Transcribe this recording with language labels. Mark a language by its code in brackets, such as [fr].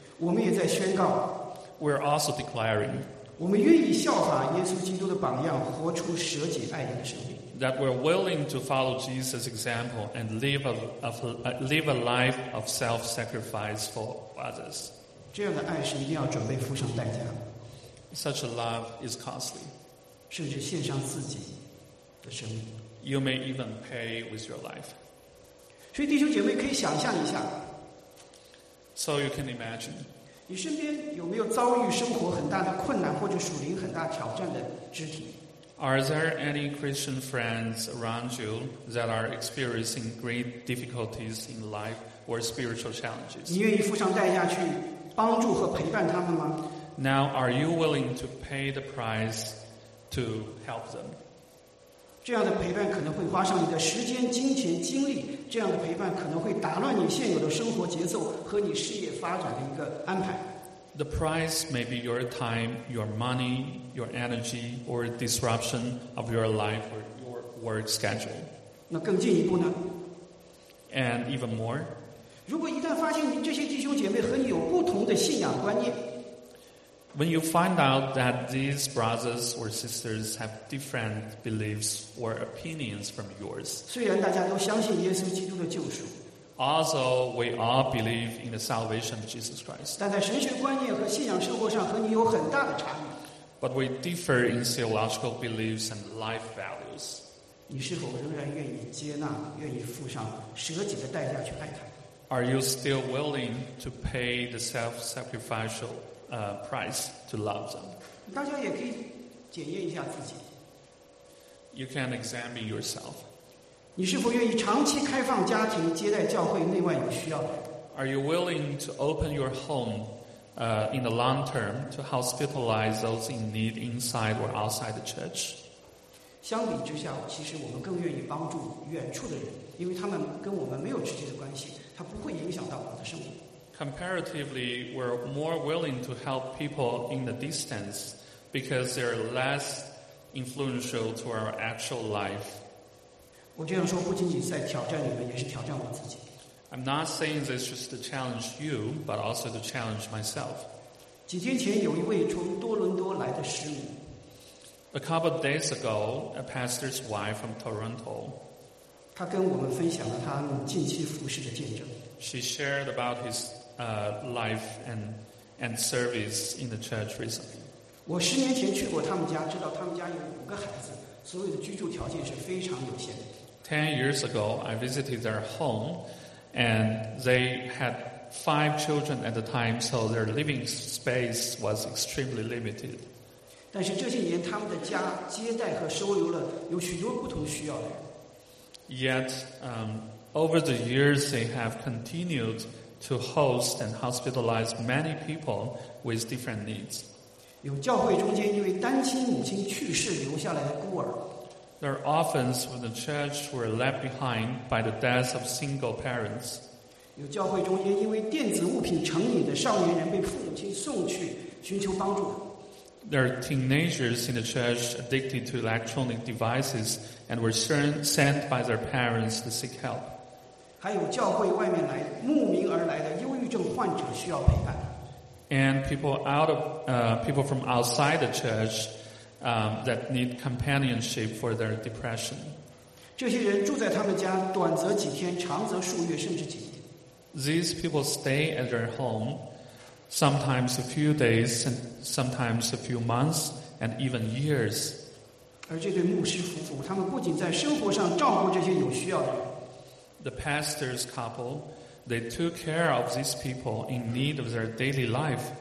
[zh] 我们也在宣告， [en] We're also declaring, [zh] 我们愿意效法耶稣基督的榜样，活出舍己爱人的生命。 [en] That we're willing to follow Jesus' example and live a life of self-sacrifice for others. [zh] 这样的爱是一定要准备付上代价。 [en] Such a love is costly. [zh] 甚至献上自己的生命。 [en] You may even pay with your life. [zh] 所以弟兄姐妹可以想象一下。 [en] So you can imagine. [zh] 你身边有没有遭遇生活很大的困难或者属灵很大挑战的肢体？ [en] Are there any Christian friends around you that are experiencing great difficulties in life or spiritual challenges? [zh] 你愿意付上代价去帮助和陪伴他们吗？ [en] Now, are you willing to pay the price to help them? [zh] 这样的陪伴可能会花上你的时间、金钱、精力。这样的陪伴可能会打乱你现有的生活节奏和你事业发展的一个安排。 [en] The price may be your time, your money, your energy, or disruption of your life or your work schedule. [zh] 那更进一步呢？ [en] And even more. [zh] 如果一旦发现这些弟兄姐妹和你有不同的信仰观念， [en] When you find out that these brothers or sisters have different beliefs or opinions from yours, [zh] 虽然大家都相信耶稣基督的救赎。 [en] Also, we all believe in the salvation of Jesus Christ. [zh] 但在神学观念和信仰生活上和你有很大的差异。 [en] But we differ in theological beliefs and life values. [zh] 你是否仍然愿意接纳，愿意付上舍己的代价去爱他？ [en] Are you still willing to pay the self-sacrificial price to love them? [zh] 大家也可以检验一下自己。 [en] You can examine yourself. [zh] 你是否愿意长期开放家庭，接待教会内外有需要的？ [en] Are you willing to open your home, in the long term to hospitalize those in need inside or outside the church? [zh] 相比之下，其实我们更愿意帮助远处的人，因为他们跟我们没有直接的关系，他不会影响到我们的生活。 [en] Comparatively, we're more willing to help people in the distance because they're less influential to our actual life. [zh] 我这样说不仅仅在挑战你们，也是挑战我自己。 [en] I'm not saying this just to challenge you, but also to challenge myself. [zh] 几天前有一位从多伦多来的师母。 [en] A couple of days ago, a pastor's wife from Toronto. [zh] 她跟我们分享了她近期服事的见证。 [en] She shared about his life and service in the church recently. [zh] 我十年前去过他们家，知道他们家有五个孩子。所有的居住条件是非常有限的。 [en] 10 years ago, I visited their home, And they had five children at the time, so their living space was extremely limited. [zh] 但是这些年他们的家接待和收留了有许多不同需要的人。 [en] Yet, over the years, they have continued to host and hospitalize many people with different needs. [zh] 有教会中间因为单亲母亲去世留下来的孤儿。 [en] There are orphans from the church who were left behind by the death of single parents. [zh] 有教会中间因为电子物品成瘾的少年人被父母亲送去寻求帮助。 [en] There are teenagers in the church addicted to electronic devices and were sent by their parents to seek help. [zh] 还有教会外面来慕名而来的忧郁症患者需要陪伴。 [en] And people from outside the church, that need companionship for their depression. [zh] 这些人住在他们家，短则几天，长则数月，甚至几年。 [en] These people stay at their home, sometimes a few days, and sometimes a few months, and even years. [zh] 而这对牧师夫妇，他们不仅在生活上照顾这些有需要的人。 [en] The pastor's couple. They took care of these people in need of their daily life.